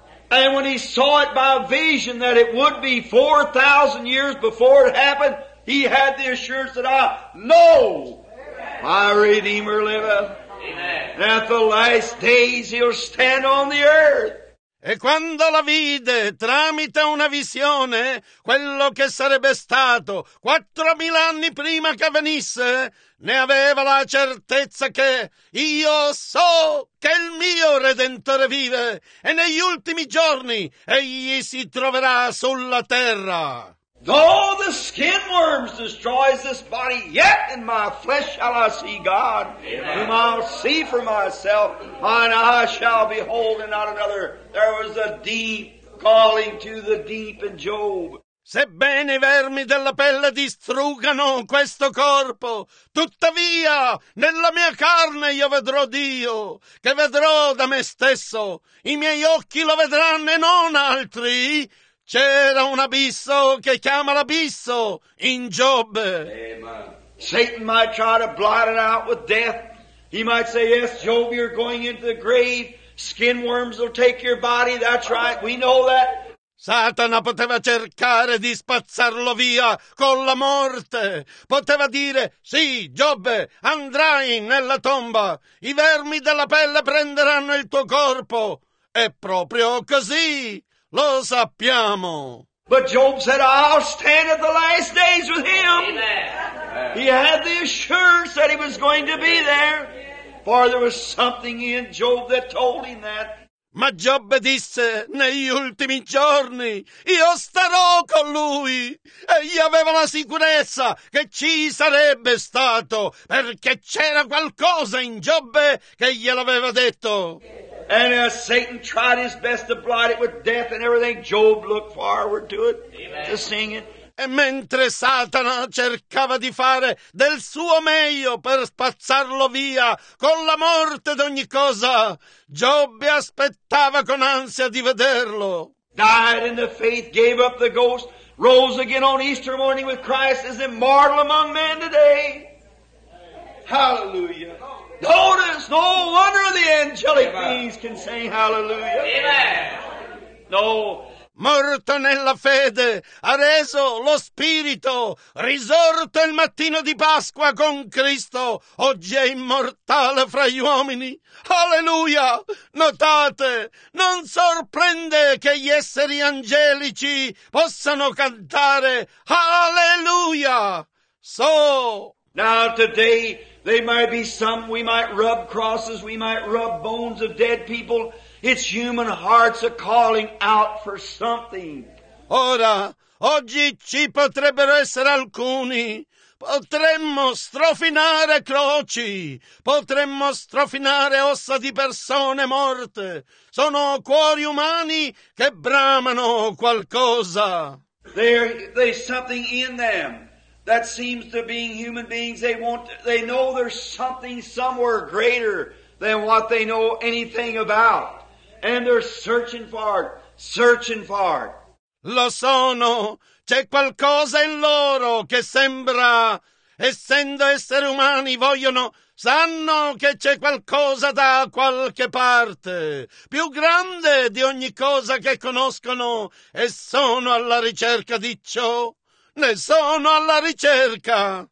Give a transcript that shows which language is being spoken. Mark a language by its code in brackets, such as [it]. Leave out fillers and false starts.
[en] And when he saw it by vision that it would be 4,000 years before it happened, he had the assurance that I know my Redeemer liveth. Amen. At the last days he'll stand on the earth. [it] E quando la vide tramite una visione, quello che sarebbe stato 4.000 anni prima che venisse, ne aveva la certezza che io so che il mio Redentore vive e negli ultimi giorni egli si troverà sulla terra. [en] Though the skin worms destroys this body, yet in my flesh shall I see God, Amen. Whom I'll see for myself, mine eyes shall behold and not another. There was a deep calling to the deep in Job. [it] Sebbene i vermi della pelle distruggano questo corpo, tuttavia nella mia carne io vedrò Dio, che vedrò da me stesso. I miei occhi lo vedranno e non altri. C'era un abisso che chiama l'abisso in Giobbe. [en] Satan might try to blot it out with death. He might say, yes, Job, you're going into the grave. Skin worms will take your body. That's right, we know that. [it] Satana poteva cercare di spazzarlo via con la morte. Poteva dire, sì, Giobbe, andrai nella tomba. I vermi della pelle prenderanno il tuo corpo. È proprio così. Lo sappiamo. [en] But Job said, I'll stand at the last days with him. Amen. He had the assurance that he was going to be there. For there was something in Job that told him that. [it] Ma Giobbe disse, negli ultimi giorni, io starò con lui. Egli aveva la sicurezza che ci sarebbe stato, perché c'era qualcosa in Giobbe che gliel'aveva detto. [en] And as Satan tried his best to blot it with death and everything, Job looked forward to it, Amen. To seeing it. [it] E mentre Satana cercava di fare del suo meglio per spazzarlo via con la morte d'ogni cosa, Giobbe aspettava con ansia di vederlo. [en] Died in the faith, gave up the ghost, rose again on Easter morning with Christ, is immortal among men today. Hallelujah. Notice, no wonder the angelic bees can sing hallelujah. Amen. No. [it] Morto nella fede, ha reso lo spirito, risorto il mattino di Pasqua con Cristo, oggi è immortale fra gli uomini. Alleluia! Notate, non sorprende che gli esseri angelici possano cantare alleluia! [en] So! Now today, there might be some, we might rub crosses, we might rub bones of dead people. It's human hearts are calling out for something. [it] Ora, oggi ci potrebbero essere alcuni. Potremmo strofinare croci. Potremmo strofinare ossa di persone morte. Sono cuori umani che bramano qualcosa. [en] There's something in them that seems to be human beings. They know there's something somewhere greater than what they know anything about. And they're searching for it, searching for it. [it] Lo sono, c'è qualcosa in loro che sembra, essendo esseri umani, vogliono, sanno che c'è qualcosa da qualche parte, più grande di ogni cosa che conoscono, e sono alla ricerca di ciò, ne sono alla ricerca.